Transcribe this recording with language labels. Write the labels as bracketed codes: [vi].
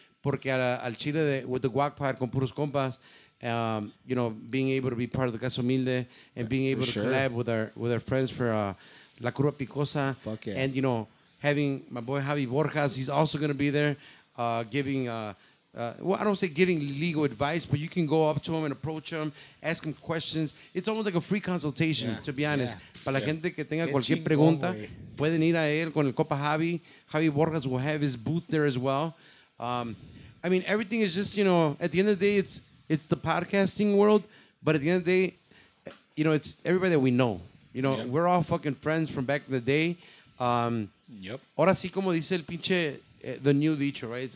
[es] Porque al chile [en] with the guac pod [es] con puros compas, [en] you know, being able to be part of the Casa Humilde and being able to collab with our friends for La Curva Picosa. Fuck yeah. And, you know, having my boy Javi Borjas, he's also going to be there giving... I don't say giving legal advice, but you can go up to him and approach him, ask him questions. It's almost like a free consultation, to be honest. [es] Para la gente que tenga cualquier pregunta, pueden ir a él con el Copa Javi. [en] Javi Borjas will have his booth there as well. I mean, everything is just, you know, at the end of the day, it's the podcasting world. But at the end of the day, you know, it's everybody that we know. You know, we're all fucking friends from back in the day. Yep. [es] Ahora sí, como dice el pinche, [en] the new [es] dicho, [en] right?